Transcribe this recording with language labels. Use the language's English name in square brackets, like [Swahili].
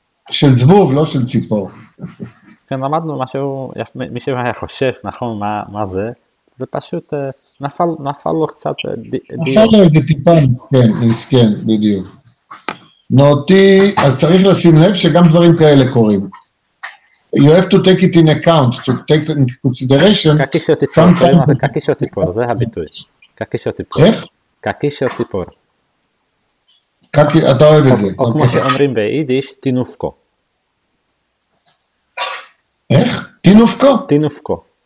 [Hebrew] של זבוב, לא של ציפור. כן, למדנו משהו, מי שהיה חושב, נכון, מה זה? זה פשוט נפל לו קצת... נפל לו איזה טיפה, נסכן, בדיוק. נוטי, אז צריך לשים לב שגם דברים כאלה קורים. [English] You have to take it in account, to take it in consideration. [Hebrew] קקי של ציפור, זה קקי של ציפור, זה הביטוי. קקי של ציפור. איך? קקי של ציפור. קקי, אתה אוהב את זה. או כמו שאומרים ביידיש, תינופקו. איך? תינופקו? תינופקו.